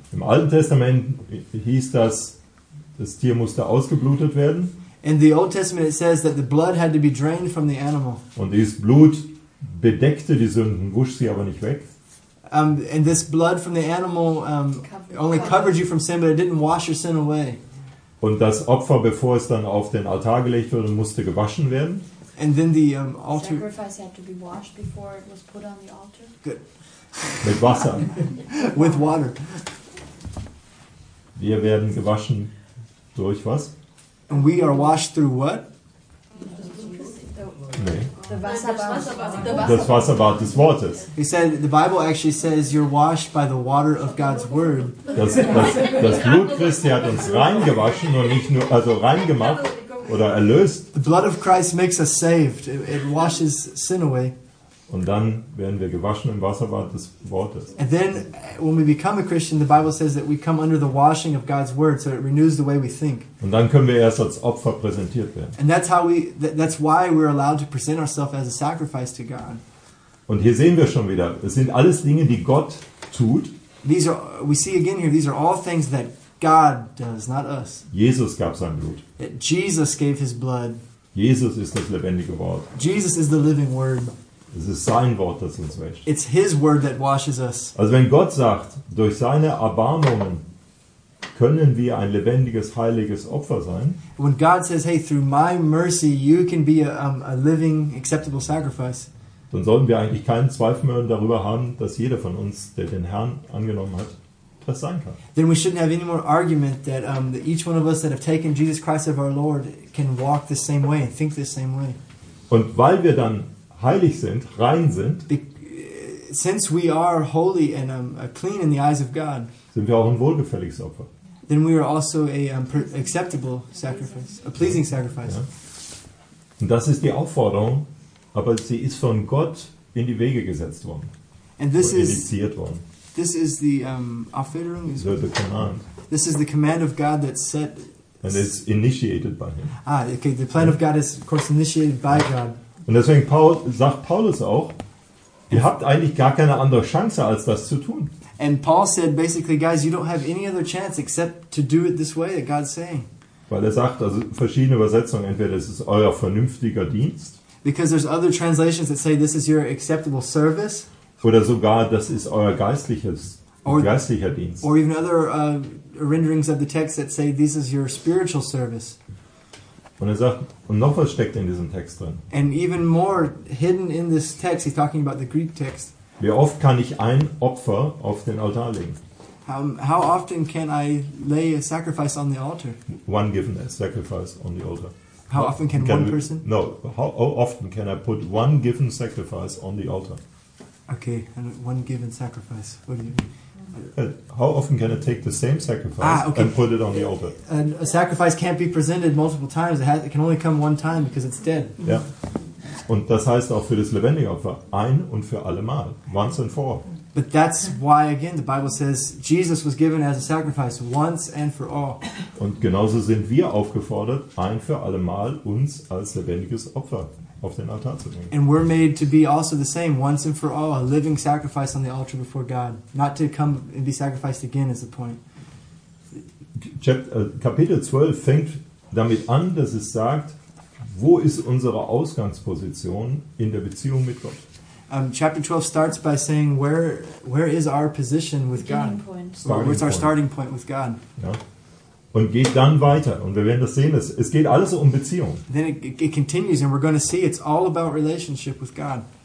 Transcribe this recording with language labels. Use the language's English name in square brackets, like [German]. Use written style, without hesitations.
[German] Im Alten Testament hieß das, das Tier musste ausgeblutet werden. [English] In the Old Testament it says that the blood had to be drained from the animal. [German] Und dieses Blut bedeckte die Sünden, wusch sie aber nicht weg. [English] And this blood from the animal only covered you from sin, but it didn't wash your sin away. [German] Und das Opfer, bevor es dann auf den Altar gelegt wurde, musste gewaschen werden. [English] And then the altar sacrifice had to be washed before it was put on the altar. Good. [German] Mit Wasser. [English] With water. [German] Wir werden gewaschen durch was? [English] And we are washed through what? [German] Das Wasserbad des Wortes. [English] He said the Bible actually says you're washed by the water of God's word. [German] Das Blut Christi hat uns reingewaschen und nicht nur also reingemacht oder erlöst. [English] The blood of Christ makes us saved. It washes sin away. [German] Und dann werden wir gewaschen im Wasserbad des Wortes. [English] And then when we become a Christian, the Bible says that we come under the washing of God's word, so it renews the way we think. [German] Und dann können wir erst als Opfer präsentiert werden. [English] And that's how that's why we're allowed to present ourselves as a sacrifice to God. [German] Und hier sehen wir schon wieder, es sind alles Dinge, die Gott tut. [English] We see again here, these are all things that God does, not us. [German] Jesus gab sein Blut. [English] Jesus gave his blood. [German] Jesus ist das lebendige Wort. [English] Jesus is the living word. [German] Es ist sein Wort, das uns wäscht. [English] It's his word that washes us. [German] Also wenn Gott sagt, durch seine Erbarmungen können wir ein lebendiges, heiliges Opfer sein. [English] When God says, hey, through my mercy, you can be a living, acceptable sacrifice. [German] Dann sollten wir eigentlich keinen Zweifel mehr darüber haben, dass jeder von uns, der den Herrn angenommen hat, das sein kann. [English] Then we shouldn't have any more argument that, that each one of us that have taken Jesus Christ as our Lord can walk the same way and think the same way. [German] Und weil wir dann heilig sind, rein sind. [English] Since we are holy and clean in the eyes of God, [German] sind wir auch ein wohlgefälliges Opfer. [English] Then we are also acceptable sacrifice, a pleasing sacrifice. [German] Ja. Und das ist die Aufforderung, aber sie ist von Gott in die Wege gesetzt worden. [English] And this [German] oder initiiert worden. [English] This is the Aufforderung. So the command. This is the command of God that set. And it's initiated by Him. Ah, okay. The plan of God is, of course, initiated by God. [German] Und deswegen sagt Paulus auch, ihr habt eigentlich gar keine andere Chance, als das zu tun. [English] And Paul said basically, guys, you don't have any other chance except to do it this way that God's saying. [German] Weil er sagt, also verschiedene Übersetzungen, entweder es ist euer vernünftiger Dienst. [English] Because there's other translations that say this is your acceptable service. [German] Oder sogar, das ist euer geistlicher Dienst. [English] Or even other renderings of the text that say this is your spiritual service. [German] Und er sagt, und noch was steckt in diesem Text drin. [English] And even more hidden in this text, he's talking about the Greek text. [German] Wie oft kann ich ein Opfer auf den Altar legen? [English] How often can I lay a sacrifice on the altar? One given a sacrifice on the altar. How often can one person? No, how often can I put one given sacrifice on the altar? Okay, and one given sacrifice. What do you mean? How often can I take the same sacrifice and put it on the altar? And a sacrifice can't be presented multiple times. It can only come one time because it's dead. [German] Ja. Und das heißt auch für das lebendige Opfer, ein und für alle Mal, once and for all. [English] But that's why, again, the Bible says Jesus was given as a sacrifice once and for all. [German] Und genauso sind wir aufgefordert, ein für alle Mal uns als lebendiges Opfer auf den Altar zu bringen. [English] And we're made to be also the same, once and for all, a living sacrifice on the altar before God. Not to come and be sacrificed again is the point. [German] Kapitel 12 fängt damit an, dass es sagt, wo ist unsere Ausgangsposition in der Beziehung mit Gott? [English] Chapter 12 starts by saying, where is our position with God? Starting point. Where's our starting point with God? [German] Ja. Und geht dann weiter. Und wir werden das sehen. Es geht alles um Beziehung. [English] Then it continues and we're going to see it's all about relationship with God.